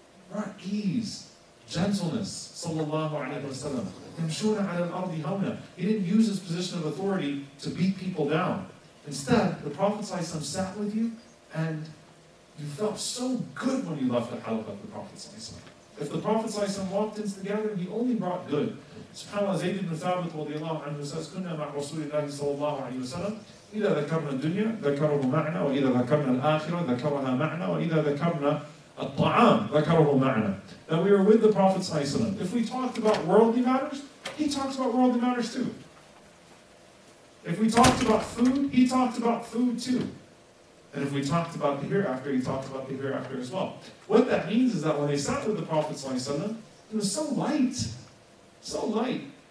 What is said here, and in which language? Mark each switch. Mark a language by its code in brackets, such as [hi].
[en] Right? Ease, gentleness, sallallahu alayhi wa sallam. [ar] يَمْشُونَ عَلَى الْأَرْضِ هَوْنًا. [en] He didn't use his position of authority to beat people down. Instead, the Prophet ﷺ sat with you, and you felt so good when you left the halaqah of the Prophet ﷺ. If the Prophet ﷺ walked into the gathering, he only brought good. SubhanAllah, Zayd ibn Thabit radiallahu anhu says, [ar] كُنَّا مَعْ رَسُولِ اللَّهِ صَلَى اللَّهُ عَلَيْهِ وَسَلَمْ إِذَا ذَكَرْنَا الدُّنْيَا ذَكَرَهُ مَعْنَا وَإِذَا ذَكَرْنَا الْآخِرَةَ ذَكَرَهَا مَعْنَا وَإِذَا ذَكَرْنَا الطَّعَامَ ذَكَرَهُ مَعْنَا. [en] That we were with the Prophet ﷺ. If we talked about worldly matters, he talked about worldly matters too. If we talked about food, he talked about food too. And if we talked about the hereafter, he talked about the hereafter as well. What that means is that when they sat with the Prophet ﷺ, it was so light. So light.